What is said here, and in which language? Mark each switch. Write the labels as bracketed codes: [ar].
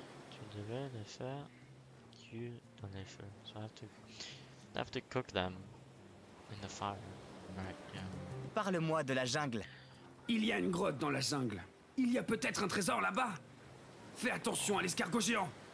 [fr] Tu devais les faire cuire dans les feux. [en] So I have to cook them in the fire. Right, yeah. [fr] Parle-moi de la jungle. Il y a une grotte dans la jungle. Il y a peut-être un trésor là-bas. Fais attention à l'escargot géant.